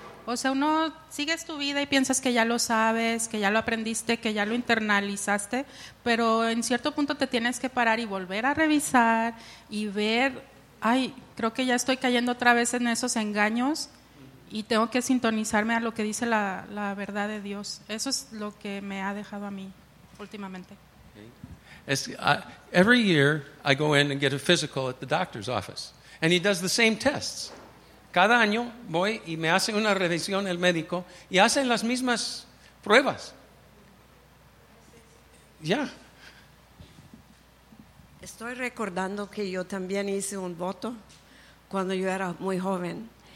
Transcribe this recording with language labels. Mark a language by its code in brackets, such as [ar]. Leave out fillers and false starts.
[es] O sea, uno sigues tu vida y piensas que ya lo sabes, que ya lo aprendiste, que ya lo internalizaste, pero en cierto punto te tienes que parar y volver a revisar y ver, ay, creo que ya estoy cayendo otra vez en esos engaños. Y tengo que sintonizarme a lo que dice la verdad de Dios. Eso es lo que me ha dejado a mí últimamente. [en] Every year I go in and get a physical at the doctor's office. And he does the same tests. [es] Cada año voy y me hace una revisión el médico y hacen las mismas pruebas. [en] Yeah. [es] Estoy recordando que yo también hice un voto cuando yo era muy joven.